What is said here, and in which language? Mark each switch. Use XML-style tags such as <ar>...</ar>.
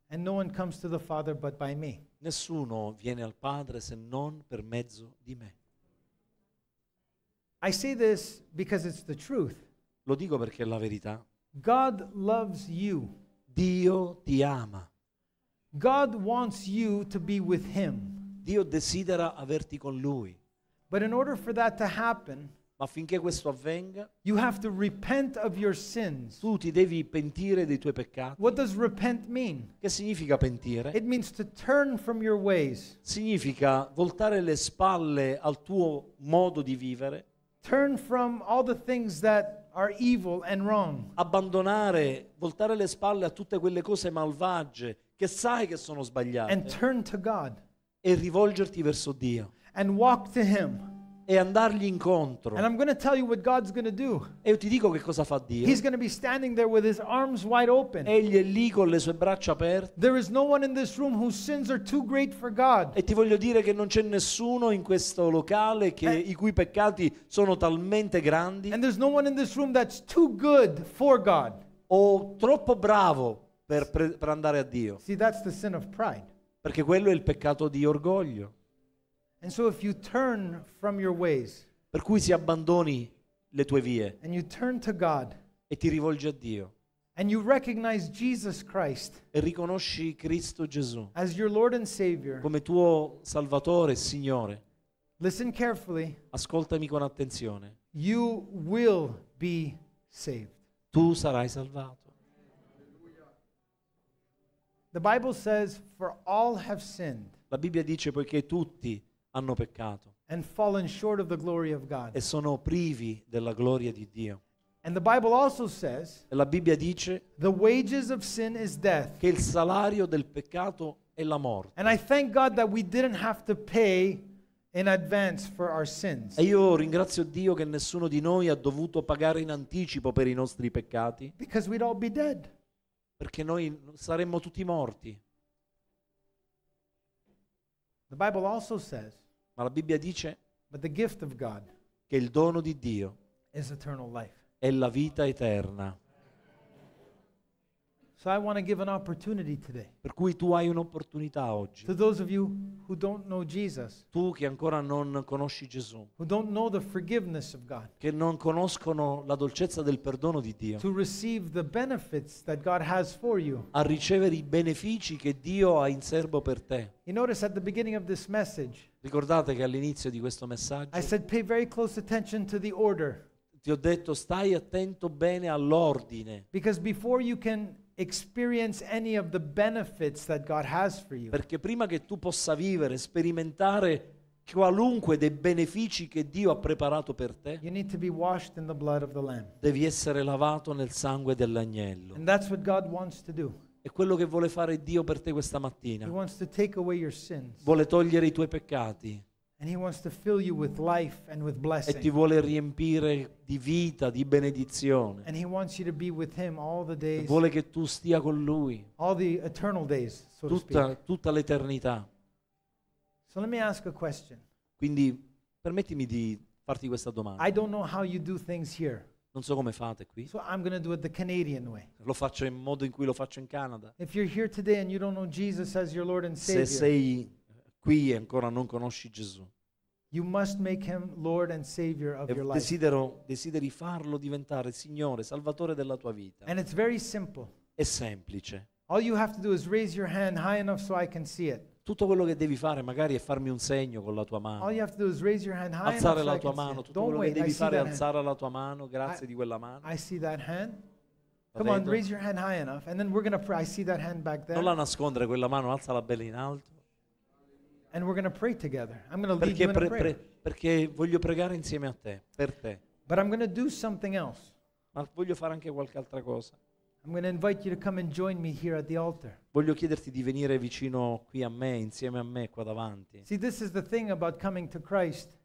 <en>And no one comes to the Father but by me.</en> <it>Nessuno viene al Padre se non per mezzo di me.</it> <en>I say this because it's the truth.</en> <it>Lo dico perché è la verità.</it> <en>God loves you.</en> <it>Dio ti ama.</it> <en>God wants you to be with him.</en> <it>Dio desidera averti con lui.</it> <en>But in order for that to happen,</en> <it>ma affinché questo avvenga,</it> <en>you have to repent of your sins.</en> <it>Tu ti devi pentire dei tuoi peccati.</it> <en>What does repent mean?</en> <it>Che significa pentire?</it> <en>It means to turn from your ways.</en> <it>Significa voltare le spalle al tuo modo di vivere.</it> <en>Turn from all the things that are evil and wrong.</en> <it>Abbandonare, voltare le spalle a tutte quelle cose malvagie che sai che sono sbagliate.</it> <en>And turn to God.</en> <it>E rivolgerti verso Dio.</it> <en>And walk to Him.</en> <it>E andargli incontro.</it> <en>And I'm going to tell you what God's going to do.</en> <it>E io ti dico che cosa fa Dio.</it> <en>He's going to be standing there with His arms wide open.</en> <it>Egli è lì con le sue braccia aperte.</it> <en>There is no one in this room whose sins are too great for God.</en> <it>E ti voglio dire che non c'è nessuno in questo locale che i cui peccati sono talmente grandi.</it> <en>And there's no one in this room that's too good for God.</en> <it>O troppo bravo per andare a Dio.</it> <en>See, that's the sin of pride.</en> <it>Perché quello è il peccato di orgoglio.</it> <en>And so if you turn from your ways,</en> <it>per cui si abbandoni le tue vie,</it> <en>and you turn to God,</en> <it>e ti rivolgi a Dio,</it> <en>and you recognize Jesus Christ,</en> <it>e riconosci Cristo Gesù,</it> <en>as your Lord and Savior,</en> <it>come tuo Salvatore e Signore,</it> <en>listen carefully,</en> <it>ascoltami con attenzione,</it> <en>you will be saved.</en> <it>Tu sarai salvato.</it> <en>The Bible says, for all have sinned.</en> <it>La Bibbia dice, poiché tutti hanno peccato.</it> <en>And fallen short of the glory of God.</en> <it>E sono privi della gloria di Dio.</it> <en>And the Bible also says,</en> <it>e la Bibbia dice,</it> <en>the wages of sin is death.</en> <it>Che il salario del peccato è la morte.</it> <en>And I thank God that we didn't have to pay in advance for our sins.</en> <it>E io ringrazio Dio che nessuno di noi ha dovuto pagare in anticipo per i nostri peccati.</it> <en>Because we'd all be dead.</en> <it>Perché noi saremmo tutti morti.</it> <en>The Bible also says,</en> <it>ma la Bibbia dice,</it> <en>but the gift of God,</en> <it>che il dono di Dio</it> <en>is eternal life,</en> <it>è la vita eterna.</it> <en>So I want to give an opportunity today,</en> <it>per cui tu hai un'opportunità oggi,</it> <en>to those of you who don't know Jesus,</en> <it>tu che ancora non conosci Gesù,</it> <en>who don't know the forgiveness of God,</en> <it>che non conoscono la dolcezza del perdono di Dio,</it> <en>to receive the benefits that God has for you,</en> <it>a ricevere i benefici che Dio ha in serbo per te.</it> <en>You notice at the beginning of this message,</en> <it>ricordate che all'inizio di questo messaggio,</it> <en>I said pay very close attention to the order,</en> <it>ti ho detto stai attento bene all'ordine,</it> <en>because before you can experience any of the benefits that God has for you.</en> <it>Perché prima che tu possa vivere, sperimentare qualunque dei benefici che Dio ha preparato per te,</it> <en>you need to be washed in the blood of the Lamb.</en> <it>Devi essere lavato nel sangue dell'agnello.</it> <en>And that's what God wants to do.</en> <it>È quello che vuole fare Dio per te questa mattina.</it> <en>He wants to take away your sins.</en> <it>Vuole togliere i tuoi peccati.</it> <en>And He wants to fill you with life and with blessing.</en> <it>E ti vuole riempire di vita, di benedizione.</it> <en>And He wants you to be with Him all the days.</en> <it>E vuole che tu stia con Lui.</it> <en>All the eternal days, so</en> <it>tutta,</it> <en>to speak.</en> <it>Tutta l'eternità.</it> <en>So let me ask a question.</en> <it>Quindi permettimi di farti questa domanda.</it> <en>I don't know how you do things here.</en> <it>Non so come fate qui.</it> <en>So I'm going to do it the Canadian way.</en> <it>Lo faccio in modo in cui lo faccio in Canada.</it> <en>If you're here today and you don't know Jesus as your Lord and Savior.</en> <it>Se sei qui e ancora non conosci Gesù.</it> <en>You must make Him Lord and Savior of your life.</en> <it>Desideri farlo diventare Signore, Salvatore della tua vita.</it> <en>And it's very simple.</en> <it>È semplice.</it> <en>All you have to do is raise your hand high enough so I can see it.</en> <it>Tutto quello che devi fare magari è farmi un segno con la tua mano.</it> <en>All you have to do is raise your hand high enough so I can see</en> <it>it. Alzare la tua mano. Tutto quello che devi fare è alzare la tua mano, grazie di quella mano.</it> <en>I see that hand. Come on, raise your hand high enough, and then we're gonna pray. I see that hand back there.</en> <it>Non la nascondere quella mano, alzala bella in alto.</it> <en>And we're going to pray together. I'm going to lead you in prayer.</en> <it>Perché voglio pregare insieme a te, per te.</it> <en>But I'm going to do something else.</en> <it>Ma voglio fare anche qualche altra cosa.</it> <en>I'm going to invite you to come and join me here at the altar.</en> <it>Voglio chiederti di venire vicino qui a me, insieme a me qua davanti.</it> <en>See, this is the thing about coming to Christ.</en>